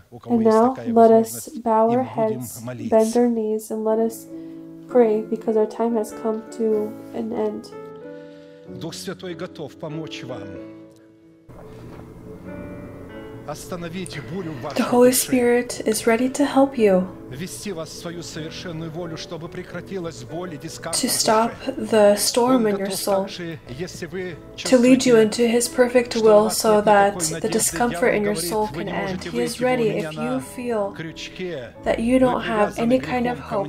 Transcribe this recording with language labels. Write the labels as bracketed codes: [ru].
[en] And now let us bow our heads, bend our knees, and let us pray because our time has come to an end. [ru] Дух Святой готов помочь вам. Остановите бурю в вашей душе. [en] The Holy Spirit is ready to help you. [ru] Вести вас в свою совершенную волю, чтобы прекратилась боль и дискомфорт. [en] To stop the storm in your soul. To lead you into His perfect will so that the discomfort in your soul can end. He is ready if you feel that you don't have any kind of hope.